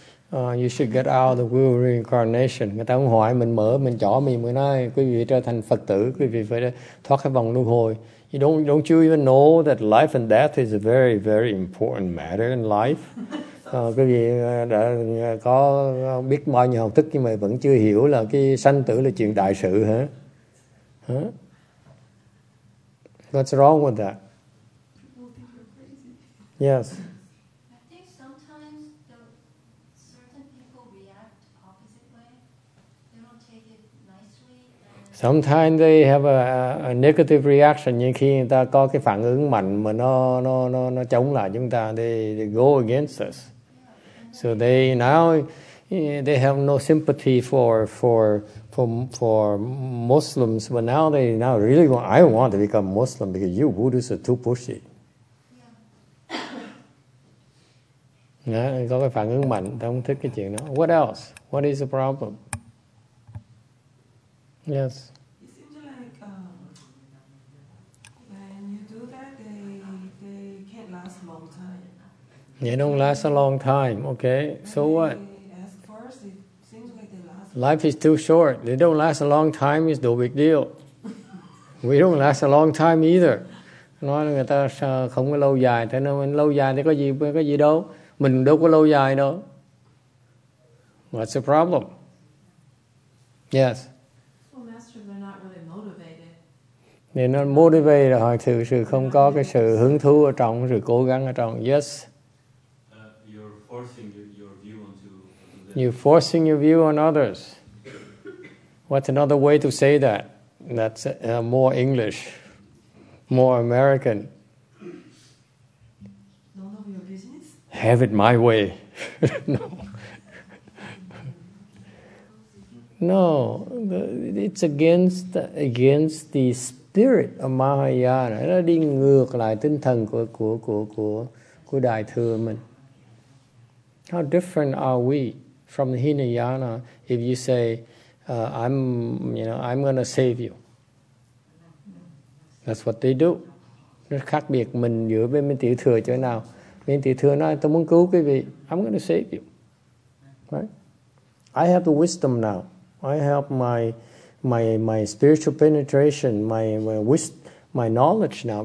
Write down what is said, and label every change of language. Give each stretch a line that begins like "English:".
English: You should get out of the wheel of reincarnation.
Vietnamese: Người ta không hỏi, mình mở, mình chỏ mì, mình nói, quý vị trở thành Phật tử, quý vị phải thoát cái vòng luân hồi.
English: Don't you even know that life and death is a very, very important matter in life?
Vietnamese: Quý vị đã có biết bao nhiêu học thức nhưng mà vẫn chưa hiểu là cái sanh tử là chuyện đại sự, hả?
English: Huh? What's wrong with that? Yes. I think sometimes certain people react opposite way. They don't take it nicely. Sometimes they have a negative reaction.
Vietnamese: Nhưng khi người ta có cái phản ứng mạnh mà nó chống lại chúng ta,
English: they go against us. Yeah, so they have no sympathy for Muslims. But now they really want. I want to become Muslim because you Buddhists are too pushy.
Vietnamese: Có cái phản ứng mạnh, ta không thích cái chuyện đó.
English: What else? What is the problem? Yes. It seems like when you do that, they can't last a long time. They don't last a long time, okay. So what? As far as it seems like they last. Life is too short. They don't last a long time is no big deal. We don't last a long time either.
Vietnamese: Nói là người ta không có lâu dài, thế nên lâu dài thì có gì đâu. Mình đâu có lâu dài đâu.
English: What's the problem? Yes. Well, Master, they're not really motivated.
Vietnamese: Nên nó motivate là hỏi thử sự không có cái sự hứng thú ở trong, sự cố gắng ở trong.
English: Yes. You're forcing your view on others. What's another way to say that? That's more English, more American. None of your business? Have it my way. No. No, it's against the spirit of Mahayana.
Vietnamese: Nó đi ngược lại tinh thần của Đại Thừa mình.
English: How different are we from the Hinayana if you say, I'm going to save you. That's what they do.
Vietnamese: Nó khác biệt mình giữa bên bên Tiểu Thừa chỗ nào. Bên Tiểu Thừa nói, tôi muốn cứu quý vị.
English: I'm going to save you. Right? I have the wisdom now. I have my spiritual penetration, my knowledge now.